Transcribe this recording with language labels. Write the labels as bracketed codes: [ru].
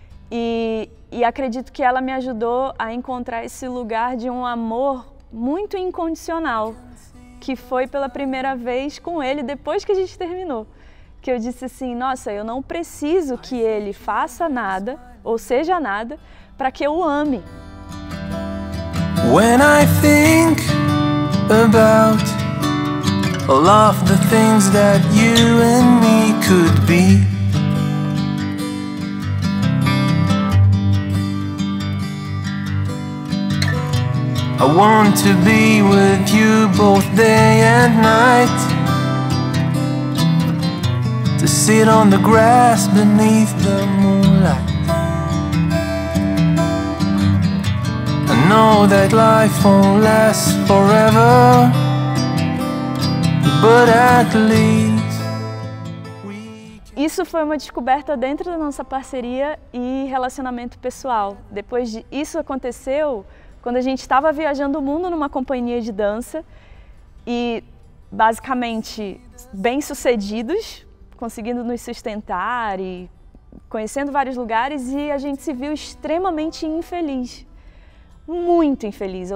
[pt] E acredito que ela me ajudou a encontrar esse lugar de um amor muito incondicional, que foi pela primeira vez com ele depois que a gente terminou. Que eu disse assim, nossa, eu não preciso que ele faça nada, ou seja nada, para que eu o ame. [en] When I think about all of the things that you and me could be, I want to be with you both day and night, to sit on the grass beneath the moonlight. I know that life won't last forever, but at least we can. [pt] Isso foi uma descoberta dentro da nossa parceria e relacionamento pessoal. Depois disso aconteceu quando a gente estava viajando o mundo numa companhia de dança e, basicamente, bem-sucedidos, conseguindo nos sustentar e conhecendo vários lugares, e a gente se viu extremamente infeliz, muito infeliz.